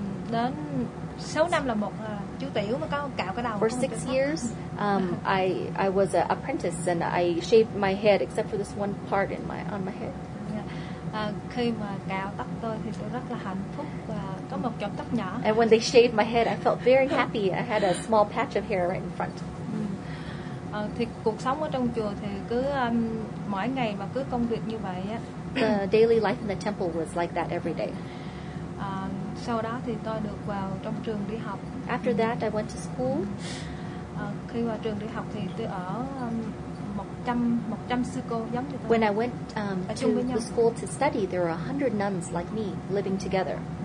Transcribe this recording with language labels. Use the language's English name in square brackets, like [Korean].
[Vietnamese] Đến 6 năm là một chú tiểu mà có cạo cái đầu. [English] For 6 years I was an apprentice and I shaved my head except for this one part in my on my head. [Vietnamese] Khi mà cạo tóc tôi thì tôi rất là hạnh phúc và có một chùm tóc nhỏ. [English] And when they shaved my head I felt very happy. I had a small patch of hair right in front. [Vietnamese] Thì cuộc sống ở trong chùa thì cứ mỗi ngày mà cứ công việc như vậy á. [English] The daily life in the temple was like that every day. [Vietnamese] sau đó thì tôi được vào trong trường đi học. [English] After that, I went to school. [Vietnamese] Khi vào trường đi học thì tôi ở 100 sư cô giống như tôi. [English] When I went to the school to study, there were 100 nuns like me living together.